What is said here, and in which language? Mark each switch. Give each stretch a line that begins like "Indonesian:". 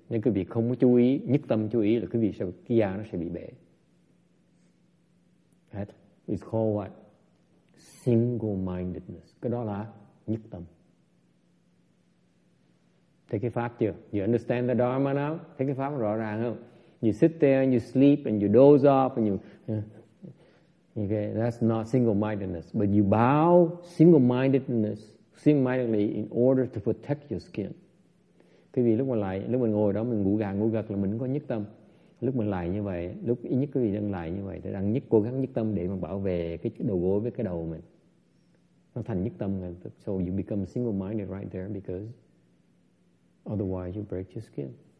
Vietnamese: Nếu quý vị không chú ý, nhất tâm chú ý là quý vị sẽ da nó sẽ bị bể.
English: Right? It's called what? Single-mindedness.
Vietnamese: Cái đó là nhất tâm. Thấy cái pháp chưa?
English: You understand the Dharma now?
Vietnamese: Thấy cái pháp rõ ràng không?
English: You sit there and you sleep and you doze off and you... Okay, that's not single-mindedness. But you bow single-mindedness, single-mindedly in order to protect your skin.
Vietnamese: Quý vị lúc mà lại, lúc mình ngồi đó mình ngủ gật là mình có nhất tâm. Lúc mình lại như vậy, lúc ít nhất quý vị đang lại như vậy thì đang nhất cố gắng nhất tâm để mà bảo vệ cái đầu gối với cái đầu mình. Nó thành nhất tâm rồi.
English: So you become single-minded right there because otherwise you break your skin.